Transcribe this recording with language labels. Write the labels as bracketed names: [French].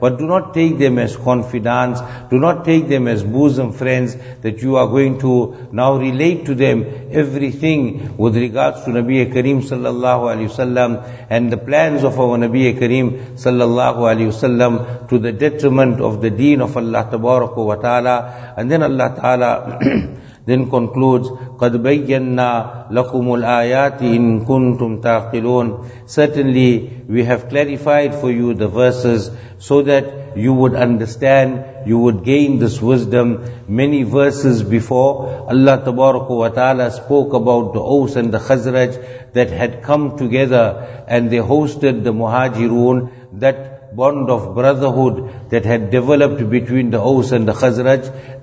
[English] But do not take them as confidants. Do not take them as bosom friends, that you are going to now relate to them everything with regards to Nabi Kareem sallallahu alayhi wa sallam and the plans of our Nabi Kareem sallallahu alayhi wa sallam, to the detriment of the deen of Allah tabaraka wa ta'ala. And then Allah ta'ala then concludes, [Arabic] قَدْ بَيَّنَّا لَكُمُ الْآيَاتِ إِن كُنْتُمْ تَعْقِلُونَ. [English] Certainly we have clarified for you the verses so that you would understand, you would gain this wisdom. Many verses before, Allah Tabaraka wa Ta'ala spoke about the Aws and the Khazraj that had come together and they hosted the Muhajirun, that bond of brotherhood that had developed between the Aws and the Khazraj.